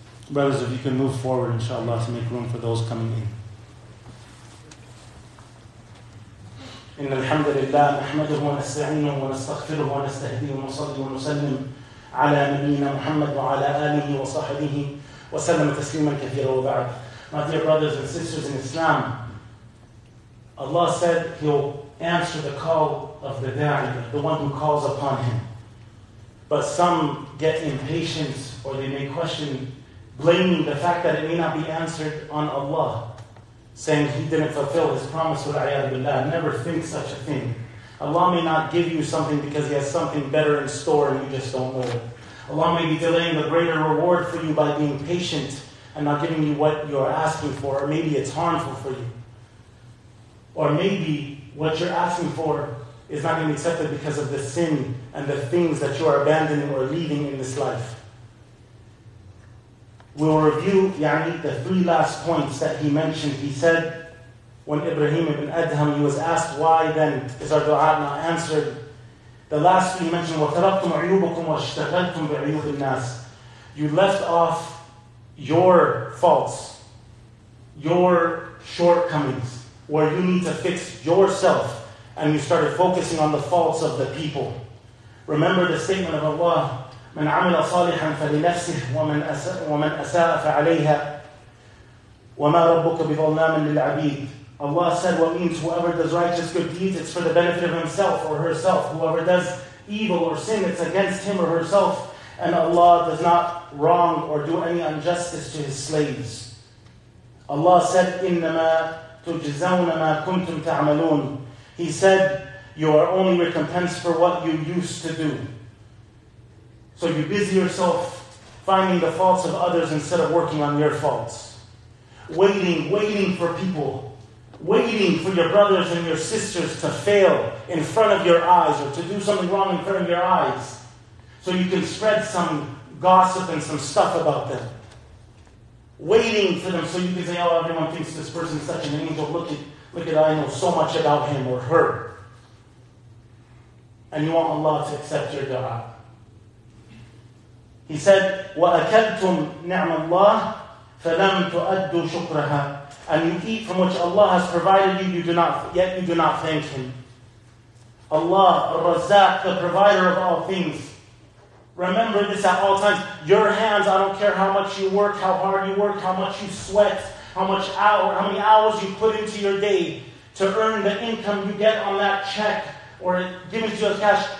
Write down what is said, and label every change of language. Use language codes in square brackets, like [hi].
[en] Brothers, if you can move forward, inshallah, to make room for those coming in. [ar] إن الحمد لله نحمده ونستعينه ونستغفره ونستهديه ونصلي ونسلم على نبينا محمد وعلى آله وصحبه وسلم تسليما كثيرا وبعد. [en] My dear brothers and sisters in Islam, Allah said He'll answer the call of the da'i, the one who calls upon Him. But some get impatient, or they may question, blaming the fact that it may not be answered on Allah, saying He didn't fulfill His promise with A'yadu Billah. Never think such a thing. Allah may not give you something because He has something better in store and you just don't know it. Allah may be delaying the greater reward for you by being patient and not giving you what you're asking for, or maybe it's harmful for you. Or maybe what you're asking for is not going to be accepted because of the sin and the things that you are abandoning or leaving in this life. We will review, yani, the three last points that he mentioned. He said, when Ibrahim ibn Adham, he was asked, why then is our dua not answered? The last we mentioned, [ar] وَتَرَبْتُمْ عِيُوبَكُمْ وَاشْتَغَلْتُمْ بِعِيُوبِ النَّاسِ. [en] You left off your faults, your shortcomings, where you need to fix yourself, and you started focusing on the faults of the people. Remember the statement of Allah, [ar] مَنْ عَمِلَ صَالِحًا فَلِنَفْسِهِ وَمَنْ أَسَاءَ فَعَلَيْهَا وَمَا رَبُّكَ بِظَلَّامٍ لِلْعَبِيدِ. [en] Allah said, what means whoever does righteous good deeds, it's for the benefit of himself or herself. Whoever does evil or sin, it's against him or herself. And Allah does not wrong or do any injustice to his slaves. Allah said, [ar] إِنَّمَا تُجْزَوْنَ مَا كُنْتُمْ تَعْمَلُونَ. [en] He said, you are only recompensed for what you used to do. So you busy yourself finding the faults of others instead of working on your faults. Waiting for people. Waiting for your brothers and your sisters to fail in front of your eyes or to do something wrong in front of your eyes so you can spread some gossip and some stuff about them. Waiting for them so you can say, oh, everyone thinks this person is such an angel. Look at, I know so much about him or her. And you want Allah to accept your dua. He said, [ar] وَأَكَلْتُمْ نِعْمَ اللَّهِ فَلَمْ تُؤَدُّ شُكْرَهَا. [en] And you eat from which Allah has provided you, yet you do not thank Him. Allah, Razzaq, the provider of all things. Remember this at all times. Your hands, I don't care how much you work, how hard you work, how much you sweat, how many hours you put into your day to earn the income you get on that check or give it to you as cash.